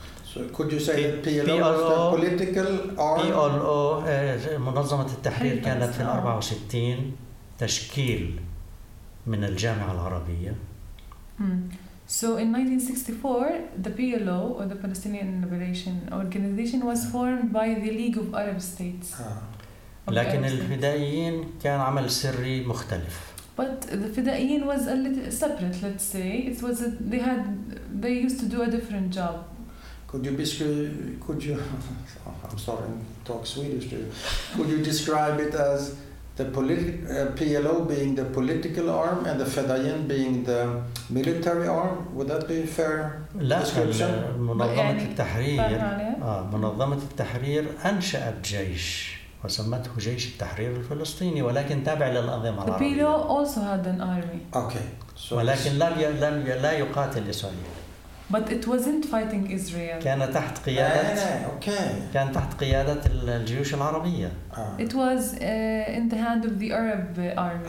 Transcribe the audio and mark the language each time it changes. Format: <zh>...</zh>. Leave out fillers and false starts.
<en>So could you say that PLO was the political arm?</en> <ar>PLO منظمة التحرير كانت في 64 تشكيل من الجامعة العربية.</ar> <en>So in 1964, the PLO or the Palestinian Liberation Organization was formed by the League of Arab States.</en> <ar>لكن الفدائيين كان عمل سري مختلف.</ar> <en>But the Fidaeen was a little separate, let's say. It was they used to do a different job. I'm sorry, talk Swedish to you. Could you describe it as the PLO being the political arm and the Fedayeen being the military arm? Would that be a fair description?</en> <ar>منظمة التحرير. منظمة التحرير أنشأت جيش وسمته جيش التحرير الفلسطيني ولكن تابع للأنظمة العربية.</ar> <en>The PLO also had an army. Okay.</en> <ar>So ولكن لا يقاتل إسرائيل.</ar> <en>But it wasn't fighting Israel.</en> <ar>كان تحت قيادة.</ar> <en>Okay.</en> <ar>كان تحت قيادة الجيوش العربية.</ar> <en>It was in the hand of the Arab armies.</en>